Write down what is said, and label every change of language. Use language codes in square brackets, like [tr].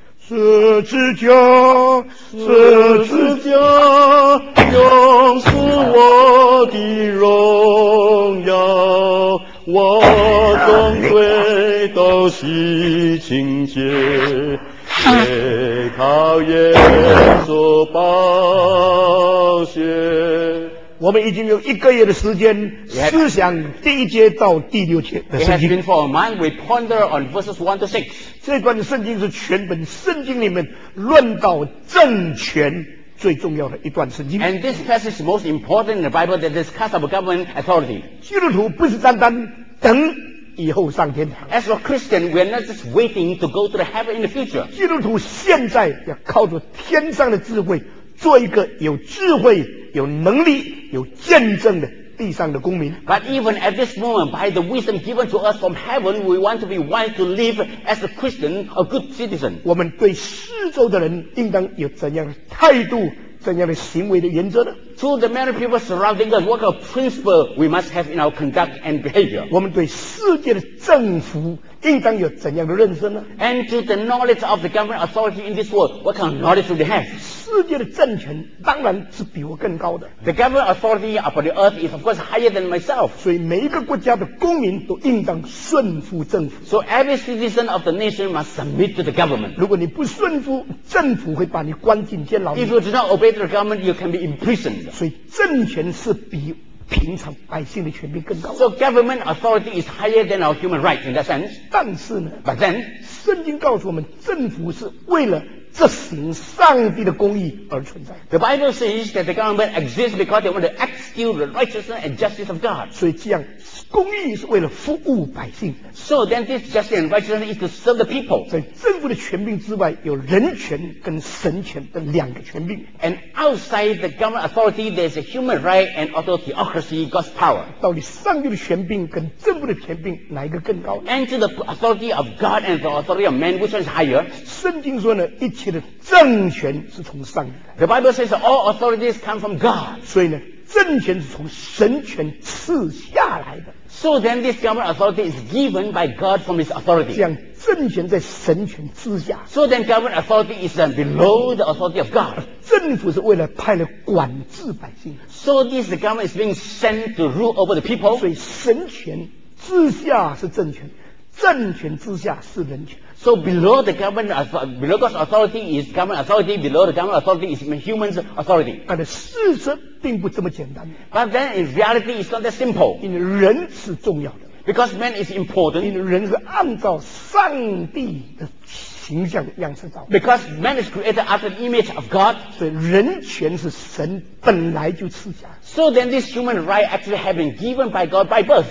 [zh] 十字架，十字架，永是我的荣耀，我终归都是清洁，也靠耶稣宝血。我们已经有一个月的时间思想第一节到第六节的圣经。 [en] It has been for a month. We ponder on verses 1 to 6. [zh] 这段圣经是全本圣经里面论到政权最重要的一段圣经。 [en] And this passage is most important in the Bible that discusses about government authority. [zh] 基督徒不是单单等以后上天堂。 [en] As a Christian, we are not just waiting to go to the heaven in the future. [zh] 基督徒现在要靠着天上的智慧做一个有智慧、有能力、有见证的地上的公民。 [en] But even at this moment, by the wisdom given to us from heaven, we want to be wise to live as a Christian, a good citizen. [zh] 我们对四周的人应当有怎样的态度、怎样的行为的原则呢？ [en] To the many people surrounding us, what kind of principle we must have in our conduct and behavior? [zh] 我们对世界的政府应当有怎样的认识呢？ [en] And to the knowledge of the government authority in this world, what kind of knowledge do they have? [zh] 世界的政权当然是比我更高的。 [en] The government authority upon the earth is of course higher than myself. [zh] 所以每一个国家的公民都应当顺服政府。 [en] So every citizen of the nation must submit to the government. [zh] 如果你不顺服，政府会把你关进监牢。 [en] If you do not obey the government, you can be imprisoned. [zh] 所以政权是比平常百姓的权利更高。 [en] So government authority is higher than our human rights in that sense. [zh] 但是呢 [en] ？But then， [zh] 圣经告诉我们，政府是为了执行上帝的公义而存在。 [en] The Bible says that the government exists because they want to execute the righteousness and justice of God. [zh] 所以这样，公义是为了服务百姓。 [en] So then this justice and righteousness is to serve the people. [zh] 在政府的权柄之外，有人权跟神权的两个权柄。 [en] And outside the government authority, there's a human right and also theocracy, God's power. [zh] 到底上帝的权柄跟政府的权柄哪一个更高？ [en] And to the authority of God and the authority of man, which one is higher? [zh] 圣经说呢，一切的政权是从上帝来。 [en] The Bible says all authorities come from God. [zh] 所以呢，政权是从神权赐下来的。 [en] So then this government authority is given by God from his authority. [zh] 这样政权在神权之下。 [en] So then government authority is below the authority of God. [zh] 政府是为了派来管制百姓。 [en] So this government is being sent to rule over the people. [zh] 所以神权之下是政权，政权之下是人权。 [en] So below the government, below God's authority is government authority. Below the government authority is human's authority. But [zh] 事实并不这么简单。 [en] But then in reality, it's not that simple. [zh] 因为人是重要的。 [en] Because man is important. [zh] 因为人是按照上帝的形象样式造。 [en] Because man is created after the image of God， [zh] 所以人权是神本来就赐下。 [en] So then this human right actually have been given by God by birth。